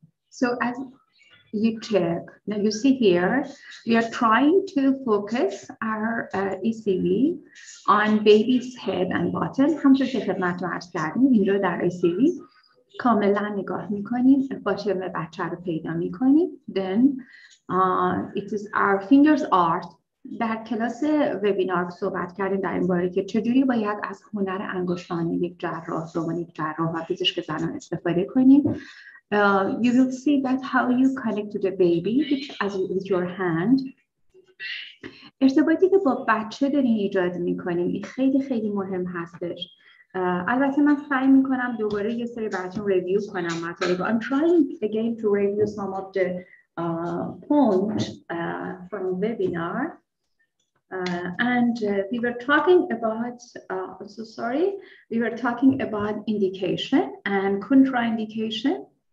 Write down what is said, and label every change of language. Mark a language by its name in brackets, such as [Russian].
[English] So as you check, now you see here, we are trying to focus our ECV on baby's head and bottom. [Persian] همچنین که خدمت رو عرض کردیم، این رو در ECV کاملا نگاه میکنیم، باطن بچه رو پیدا میکنیم. [English] Then it is our fingers art. [Persian] در کلاس وبینار صحبت کردیم در این باره که چجوری باید از هنر انگشتانی یک جراح، زبان یک جراح و پزشک زنان استفاده کنیم. [English] You will see that how you connect to the baby with your hand. [Persian] ارتباطی که با بچه داری ایجاد میکنیم این خیلی خیلی مهم هستش. البته من سعی میکنم دوباره یه سری براتون ریویو کنم مطالب. [English] I'm trying again to review some of the points from the webinar. And we were talking about indication and contraindication.